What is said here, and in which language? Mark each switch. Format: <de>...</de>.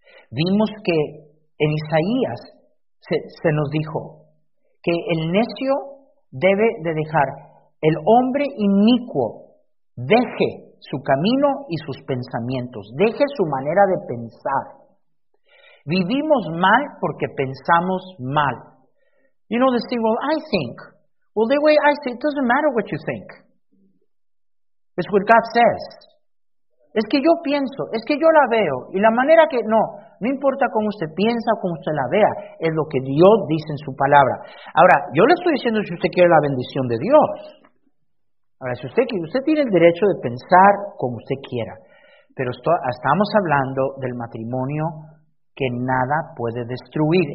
<es>Vimos que en Isaías se nos dijo que el necio debe de dejar, el hombre inicuo deje su camino y sus pensamientos, deje su manera de pensar. Vivimos mal porque pensamos mal.</es> <en>You know, they say, well, I think. Well, the way I say, it doesn't matter what you think. It's what God says.</en> <es>Es que yo pienso, es que yo la veo, y la manera que, no importa cómo usted piensa o cómo usted la vea, es lo que Dios dice en su palabra. Ahora, yo le estoy diciendo si usted quiere la bendición de Dios. Ahora, si usted tiene el derecho de pensar como usted quiera, pero estamos hablando del matrimonio que nada puede destruir.</es>